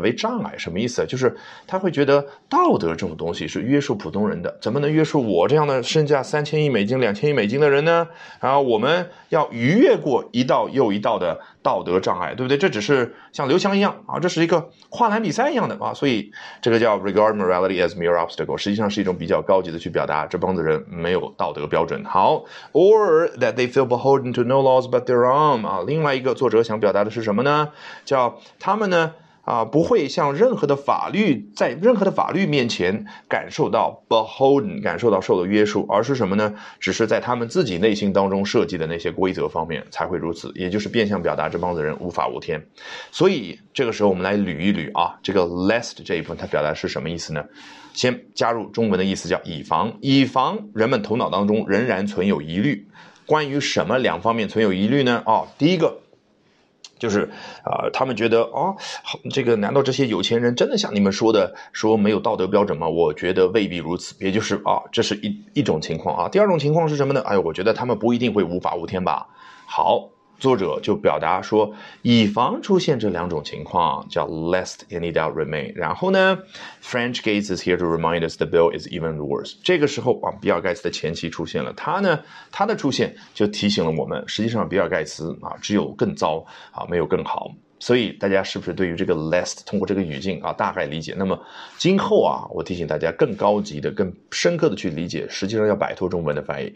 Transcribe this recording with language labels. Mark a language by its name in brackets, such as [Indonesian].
[Chinese] 为障碍。什么意思？就是他会觉得道德这种东西是约束普通人的，怎么能约束我这样的身价3000亿美金2000亿美金的人呢？然后我们要逾越过一道又一道的道德障碍，对不对？这只是像刘翔一样这是一个跨栏比赛一样的所以这个叫 [English] regard morality as mere obstacle， [Chinese] 实际上是一种比较高级的去表达这帮子人没有道德标准。好 ， [English] or that they feel beholden to no laws but their own [Chinese] 另外一个作者想表达的是什么呢？叫他们呢不会像任何的法律在任何的法律面前感受到 beholden 感受到受的约束，而是什么呢？只是在他们自己内心当中设计的那些规则方面才会如此，也就是变相表达这帮子人无法无天。所以这个时候我们来捋一捋这个 lest 这一部分它表达是什么意思呢？先加入中文的意思叫以防，以防人们头脑当中仍然存有疑虑。关于什么两方面存有疑虑呢？第一个就是他们觉得这个难道这些有钱人真的像你们说的说没有道德标准吗？我觉得未必如此，也就是这是一种情况第二种情况是什么呢？我觉得他们不一定会无法无天吧。好，作者就表达说以防出现这两种情况叫 [English] lest any doubt remain， [Chinese] 然后呢 [English] French Gates is here to remind us that Bill is even worse。 [Chinese] 这个时候比尔盖茨的前妻出现了，他的出现就提醒了我们实际上比尔盖茨只有更糟没有更好。所以大家是不是对于这个 lest 通过这个语境大概理解？那么今后我提醒大家更高级的更深刻的去理解，实际上要摆脱中文的翻译。